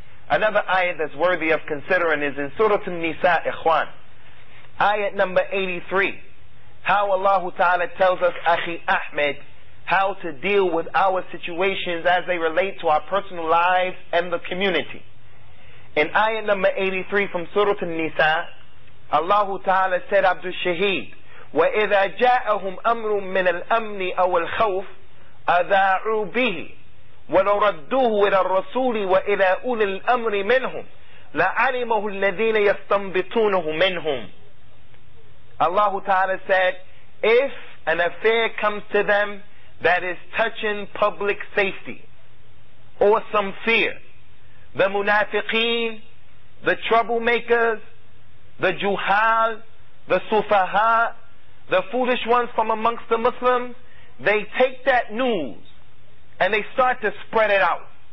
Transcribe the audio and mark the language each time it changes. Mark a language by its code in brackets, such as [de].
[en] Another ayah that's worthy of considering is in Surah An-Nisa, Ikhwan, ayah number 83. How Allah Ta'ala tells us, Akhi Ahmed, how to deal with our situations as they relate to our personal lives and the community. In ayah number 83 from Surah An-Nisa, Allah Ta'ala said, Abdul Shaheed, [ar] وَإِذَا جَاءَهُمْ أَمْرٌ مِّنَ الْأَمْنِ أَوَ الْخَوْفِ أَذَاعُوا بِهِ وَلَوْ رَدُّوهُ إِلَى الرَّسُولِ وَإِلَى أُولِي الْأَمْرِ مِنْهُمْ لَعَلِمَهُ الَّذِينَ يَسْتَنْبِطُونَهُ مِنْهُمْ. [en] Allah Ta'ala said, if an affair comes to them that is touching public safety or some fear, the munafiqeen, the troublemakers, the juhal, the sufaha, the foolish ones from amongst the Muslims, they take that news and they start to spread it out.